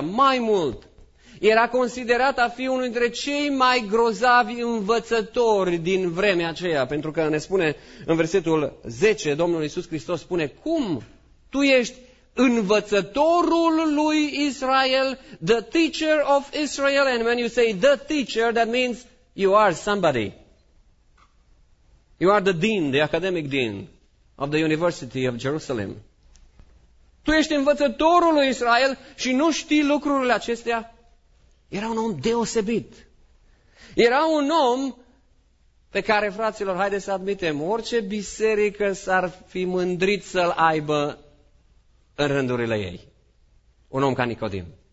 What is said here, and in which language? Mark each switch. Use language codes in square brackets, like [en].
[ro] Mai mult, era considerat a fi unul dintre cei mai grozavi învățători din vremea aceea. Pentru că ne spune în versetul 10, Domnul Iisus Hristos spune, cum tu ești învățătorul lui Israel, [en] the teacher of Israel? And when you say the teacher, that means you are somebody. You are the dean, the academic dean of the University of Jerusalem. [ro] Tu ești învățătorul lui Israel și nu știi lucrurile acestea? Era un om deosebit. Era un om pe care, fraților, haideți să admitem, orice biserică s-ar fi mândrit să-l aibă în rândurile ei. Un om ca Nicodim.